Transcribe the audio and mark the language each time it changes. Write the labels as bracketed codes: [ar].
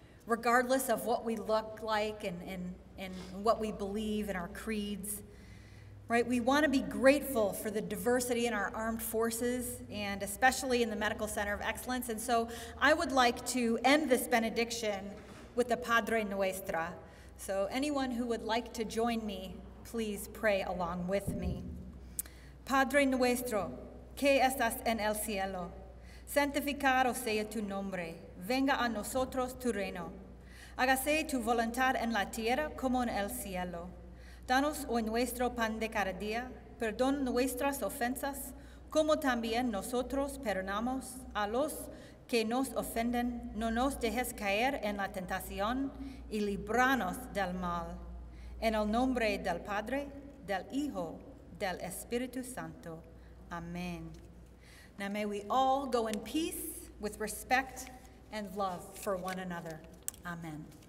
[en] Regardless of what we look like and what we believe in our creeds, right? We want to be grateful for the diversity in our armed forces and especially in the Medical Center of Excellence. And so I would like to end this benediction with the Padre Nuestra. So anyone who would like to join me, please pray along with me. [es] Padre Nuestro, que estás en el cielo, santificado sea tu nombre. Venga a nosotros tu reino. Hágase tu voluntad en la tierra como en el cielo. Danos hoy nuestro pan de cada día. Perdona nuestras ofensas, como también nosotros perdonamos a los que nos ofenden. No nos dejes caer en la tentación y líbranos del mal. En el nombre del Padre, del Hijo, del Espíritu Santo. Amén. [en] Now may we all go in peace with respect and love for one another. Amen.